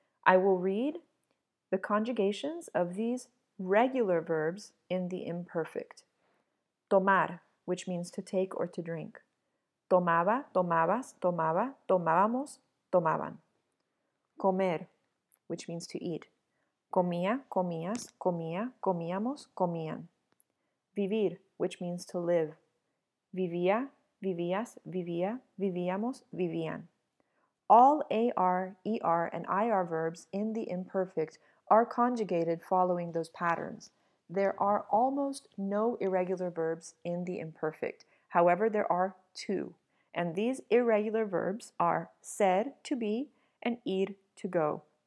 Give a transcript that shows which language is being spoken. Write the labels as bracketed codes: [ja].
[en] I will read the conjugations of these regular verbs in the imperfect. Tomar, which means to take or to drink. [es] Tomaba, tomabas, tomaba, tomábamos, tomaban. [en] Comer, which means to eat. [es] Comía, comías, comía, comíamos, comían. [en] Vivir, which means to live. [es] Vivía, vivías, vivía, vivíamos, vivían. [en] All AR, ER, and IR verbs in the imperfect are conjugated following those patterns. There are almost no irregular verbs in the imperfect. However, there are two. And these irregular verbs are ser, to be, and ir, to go.